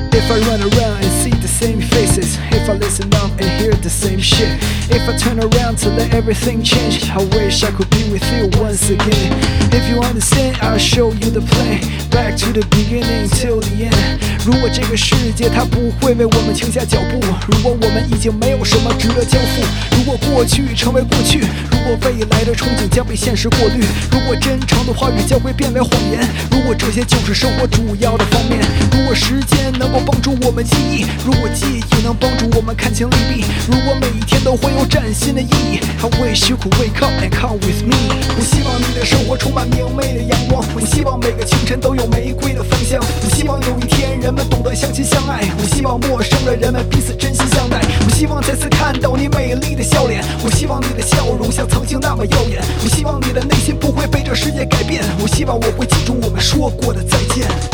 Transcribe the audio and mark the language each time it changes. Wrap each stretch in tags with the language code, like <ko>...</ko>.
<en>I run around and see the same faces, if I listen up and hear the same shit, if I turn around to let everything change, I wish I could be with you once again. If you understand, I'll show you the plan, back to the beginning till the end.</en> <zh>如果这个世界它不会为我们停下脚步，如果我们已经没有什么值得交付，如果过去成为过去，如果未来的憧憬将被现实过滤，如果真诚的话语将会变为谎言，如果这些就是生活主要的方面，如果时间能够帮助我们记忆，如果记忆能帮助我们看清利弊，如果每一天都会有崭新的意义。</zh> <en>I wish you could wake up and come with me。</en> <zh>我希望你的生活充满明媚的阳光，我希望每个清晨都有玫瑰的芳香，我希望有一天人们懂得相亲相爱，我希望陌生的人们彼此真心相待，我希望再次看到你美丽的笑脸，我希望你的笑容像曾经那么耀眼，我希望你的内心不会被这世界改变，我希望我会记住我们说过的再见。</zh>